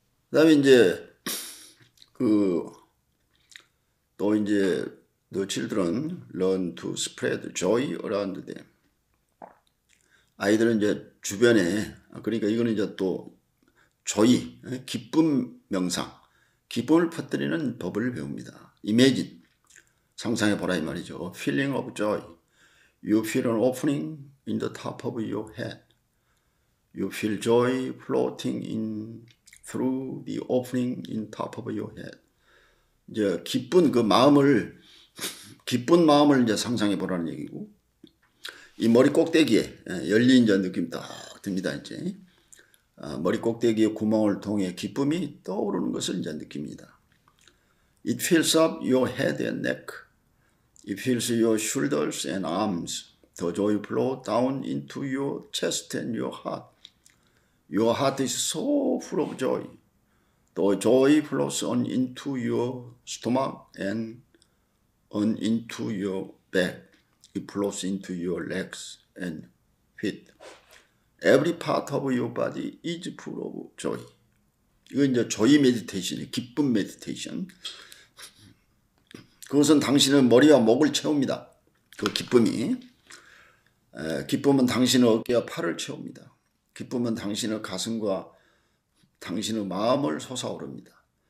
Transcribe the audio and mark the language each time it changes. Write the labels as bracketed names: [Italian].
[Korean] 그다음에 이제 그또 이제 [English] The children learn to spread joy around them. [Korean] 아이들은 이제 주변에, 그러니까 이거는 이제 또 조이, 기쁨 명상, 기쁨을 퍼뜨리는 법을 배웁니다. [English] Imagine, [Korean] 상상해 보라 이 말이죠. [English] Feeling of joy. You feel an opening in the top of your head. You feel joy floating in through the opening in top of your head. [Korean] 이제 기쁜 그 마음을, 기쁜 마음을 이제 상상해 보라는 얘기고, 이 머리 꼭대기에 열린 이제 느낌 딱 듭니다. 이제 머리 꼭대기의 구멍을 통해 기쁨이 떠오르는 것을 이제 느낍니다. [English] It fills up your head and neck. It fills your shoulders and arms. The joy flow down into your chest and your heart. Your heart is so full of joy. The joy flows on into your stomach and on into your back. It flows into your legs and feet. Every part of your body is full of joy. [Korean] 이건 이제 조이 메디테이션이에요. 기쁨 메디테이션. 그것은 당신의 머리와 목을 채웁니다. 그 기쁨이. 기쁨은 당신의 어깨와 팔을 채웁니다. 기쁨은 당신의 가슴과 당신의 마음을 솟아오릅니다.